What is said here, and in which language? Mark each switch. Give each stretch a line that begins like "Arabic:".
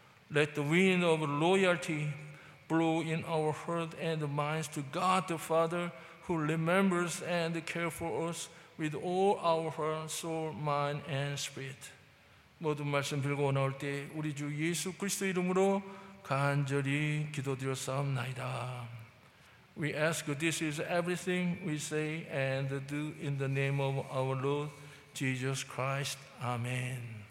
English: Let the wind of loyalty blow in our heart and minds to God the Father, who remembers and cares for us with all our heart, soul, mind, and spirit.
Korean: 모든 말씀 빌고 나올 때 우리 주 예수 그리스도 이름으로 간절히 기도드렸사옵나이다.
English: We ask this is everything we say and do in the name of our Lord Jesus Christ. Amen.